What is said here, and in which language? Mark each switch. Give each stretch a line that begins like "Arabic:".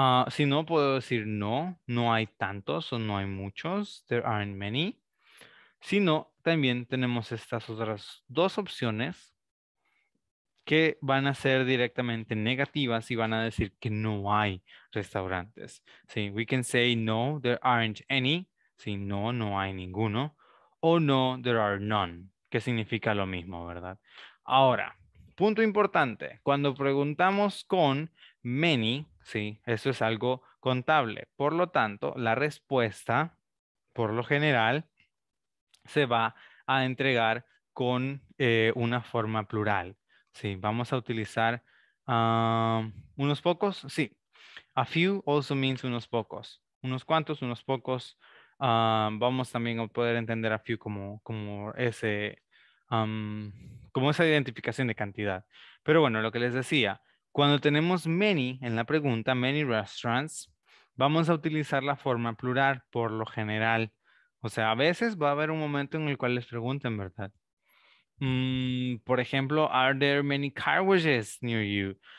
Spanish: Si no, puedo decir no, no hay tantos o no hay muchos.
English: There aren't many.
Spanish: Si no, también tenemos estas otras dos opciones que van a ser directamente negativas y van a decir que no hay restaurantes.
English: Sí, we can say no, there aren't any.
Spanish: Sí, no, no hay ninguno. O no,
English: there are none,
Spanish: que significa lo mismo, ¿verdad? Ahora, punto importante. Cuando preguntamos con many, sí, eso es algo contable. Por lo tanto, la respuesta, por lo general, se va a entregar con una forma plural. Sí, vamos a utilizar unos pocos. Sí,
English: a few also means
Spanish: unos pocos. Unos cuantos, unos pocos. Vamos también a poder entender a few como esa identificación de cantidad. Pero bueno, lo que les decía, cuando tenemos many en la pregunta, many restaurants, vamos a utilizar la forma plural por lo general. O sea, a veces va a haber un momento en el cual les pregunten, ¿verdad? Por ejemplo,
English: are there many car washes near you?